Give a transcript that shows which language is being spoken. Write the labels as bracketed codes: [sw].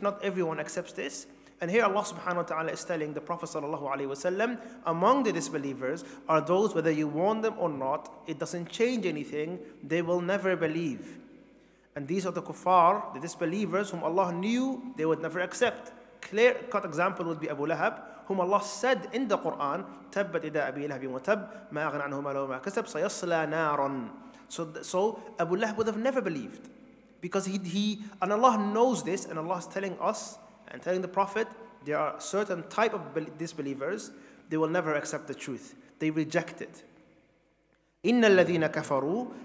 [en] Not everyone accepts this. And here Allah subhanahu wa ta'ala is telling the Prophet sallallahu alaihi wasallam, among the disbelievers are those, whether you warn them or not, it doesn't change anything, they will never believe. And these are the kuffar, the disbelievers, whom Allah knew they would never accept. Clear cut example would be Abu Lahab, whom Allah said in the Quran, [ar] تَبَّتْ إِذَا أَبِي لَهَبٍ وَتَبْ مَا أَغْنَ عَنْهُ مَا لَهُ مَا كَسَبْ سَيَصْلَى نَارًا. [en] So Abu Lahab would have never believed. Because and Allah knows this, and Allah is telling us, and telling the Prophet, there are certain type of disbelievers, they will never accept the truth. They reject it. [ar] إِنَّ الَّذِينَ كَفَرُوا.